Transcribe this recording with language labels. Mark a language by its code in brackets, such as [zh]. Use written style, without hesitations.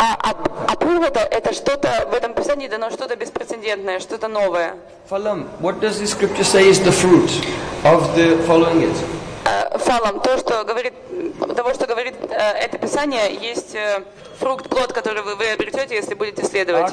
[ru] Апурвата — это что-то в этом писании дано, что-то беспрецедентное, что-то новое. [en] Фалам — what does the scripture say is the fruit of the following it? [ru] Фалам — того, что говорит это писание, есть фрукт, плод, который вы обретете, если будете следовать.